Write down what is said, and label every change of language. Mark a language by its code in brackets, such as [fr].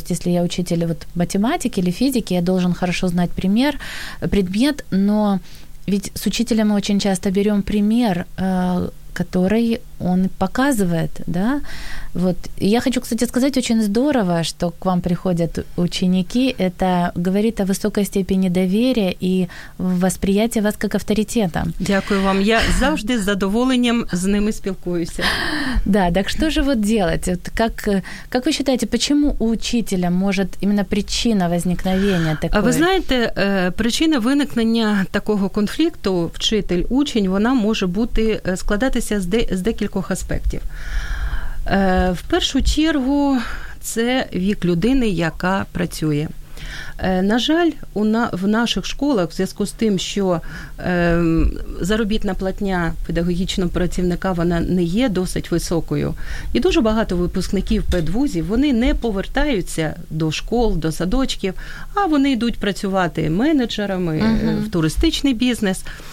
[ru] То есть, если я учитель вот математики или физики, я должен хорошо знать пример, предмет, но ведь с учителем мы очень часто берем пример, который он показывает, да. Вот. И я хочу, кстати, сказать, очень здорово, что к вам приходят ученики. Это говорит о высокой степени доверия и восприятия вас как авторитета. [uk] Дякую вам. Я завжди с задоволенням [ru] с ними [uk] спілкуюся. [ru] Да, так что же вот делать? Вот как вы считаете, почему у учителя может именно причина возникновения такой? А вы знаете, причина выникновения такого конфликта [uk] вчитель-учень, вона [ru] может быть складываться с [uk] декількох аспектів. В першу чергу, це вік людини, яка працює. На жаль, в наших школах, в зв'язку з тим, що заробітна платня педагогічного працівника, вона не є досить високою, і дуже багато випускників педвузів, вони не повертаються до школ, до садочків, а вони йдуть працювати менеджерами, в туристичний бізнес.